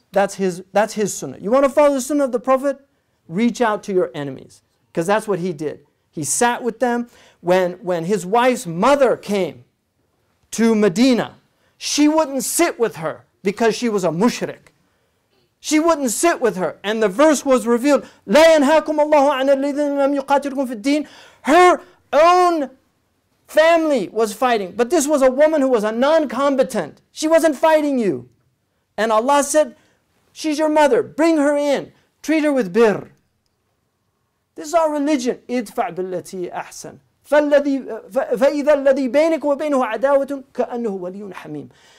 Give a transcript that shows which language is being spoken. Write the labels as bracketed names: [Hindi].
[English] That's his sunnah. You want to follow the sunnah of the Prophet? Reach out to your enemies. Because that's what he did. He sat with them. When his wife's mother came to Medina, she wouldn't sit with her because she was a mushrik. She wouldn't sit with her. And the verse was revealed, [Arabic] لَا يَنْهَاكُمْ اللَّهُ عَنَ الَّذِينَ لَمْ يُقَاتِلُكُمْ فِي الدِّينِ. [English] Her own family was fighting, but this was a woman who was a non-combatant. She wasn't fighting you. And Allah said, she's your mother, bring her in, treat her with birr. This is our religion. [Arabic] Idfa' billati ahsan. فَإِذَا الَّذِي بَيْنِكُ وَبَيْنُهُ عَدَاوَةٌ كَأَنُّهُ وَلِيٌّ حَمِيمٌ.